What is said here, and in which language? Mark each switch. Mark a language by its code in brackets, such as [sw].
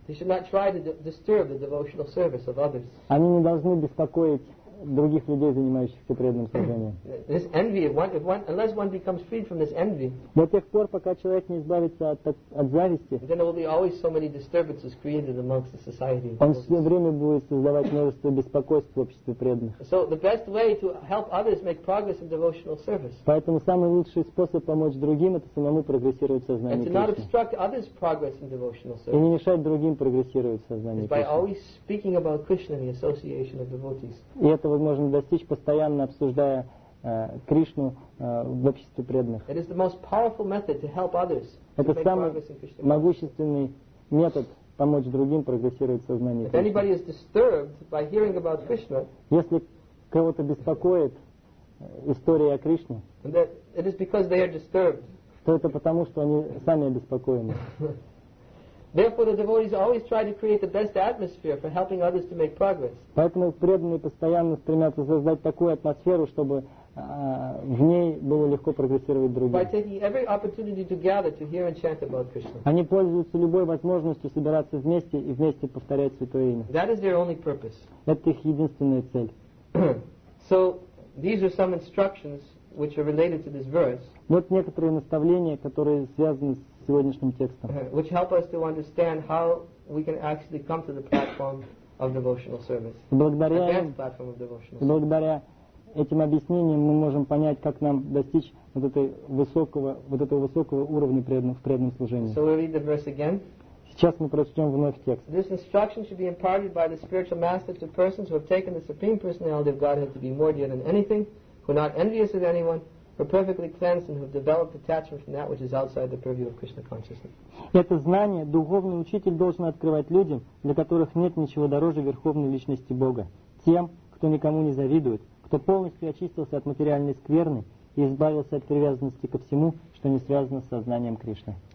[en] They should not try to disturb the devotional service of others. [ru] Они не должны беспокоить других людей, занимающихся преданным служением. [en] This envy, unless one becomes freed from this envy, [ru] до тех пор, пока человек не избавится от зависти, [en] then there will be always so many disturbances created amongst the society. [ru] Он все время будет создавать множество беспокойств в обществе преданных. [en] So the best way to help others make progress in devotional service. [ru] Поэтому самый лучший способ помочь другим — это самому прогрессировать в сознании Кришны. [en] And to not obstruct others' progress in devotional service. [ru] И не мешать другим прогрессировать в сознании Кришны. [en] By always speaking about Krishna in the association of devotees. [ru] И этого можно достичь, постоянно обсуждая Кришну в обществе преданных. [en] It is the most powerful method to help others. [ru] Это самый могущественный метод помочь другим прогрессировать в сознании Кришны. [en] If anybody is disturbed by hearing about Krishna, [ru] если кого-то беспокоит история о Кришне, [en] it is because they are disturbed. [ru] То это потому, что они сами обеспокоены. [en] Therefore, the devotees always try to create the best atmosphere for helping others to make progress. [ru] Поэтому преданные постоянно стремятся создать такую атмосферу, чтобы в ней было легко прогрессировать другим. [en] By taking every opportunity to gather to hear and chant about Krishna. [ru] Они пользуются любой возможностью собираться вместе и вместе повторять святое имя. [en] That is their only purpose. [ru] Это их единственная цель. [en] So these are some instructions which are related to this verse. [ru] Вот некоторые наставления, которые связаны с сегодняшним текстом. [en] Which help us to understand how we can actually come to the platform of devotional service. [ru] Благодаря [en] the best platform of devotional service. [ru] Благодаря этим объяснениям мы можем понять, как нам достичь вот этого высокого уровня в преданном служении. [en] So we read the verse again. [ru] Сейчас мы прочтем вновь текст. [en] This instruction should be imparted by the spiritual master to persons who have taken the supreme personality of Godhead to be more dear than anything, who are not envious of anyone, who are perfectly cleansed and who have developed attachment from that which is outside the purview of Krishna consciousness. [ru] Это знание духовный учитель должен открывать людям, для которых нет ничего дороже верховной личности Бога, тем, кто никому не завидует, кто полностью очистился от материальной скверны и избавился от привязанности ко всему, что не связано с сознанием Кришны.